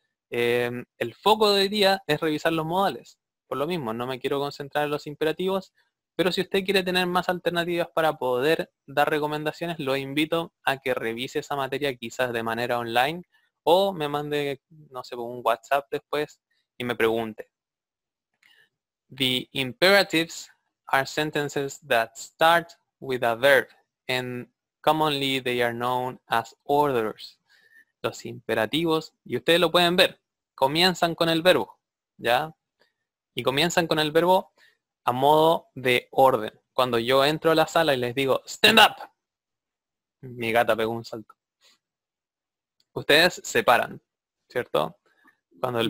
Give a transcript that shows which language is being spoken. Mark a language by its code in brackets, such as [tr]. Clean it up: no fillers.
[es] El foco de hoy día es revisar los modales. Por lo mismo, no me quiero concentrar en los imperativos, pero si usted quiere tener más alternativas para poder dar recomendaciones, lo invito a que revise esa materia quizás de manera online o me mande, no sé, un WhatsApp después y me pregunte. [en] The imperatives are sentences that start with a verb, and commonly they are known as orders. [es] Los imperativos, y ustedes lo pueden ver, comienzan con el verbo, ¿ya? Y comienzan con el verbo a modo de orden. Cuando yo entro a la sala y les digo, [en] stand up, [es] mi gata pegó un salto. Ustedes se paran, ¿cierto? Cuando el